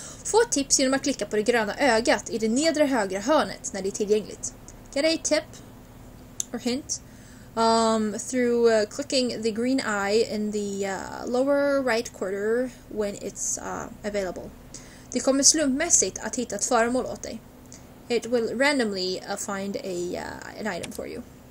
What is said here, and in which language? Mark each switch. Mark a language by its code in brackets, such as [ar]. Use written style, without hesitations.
[sv] Få tips genom att klicka på det gröna ögat i det nedre högra hörnet när det är tillgängligt. [en] Get a tip, or hint, through clicking the green eye in the lower right corner when it's available. [sv] Det kommer slumpmässigt att hitta ett föremål åt dig. [en] It will randomly find an item for you.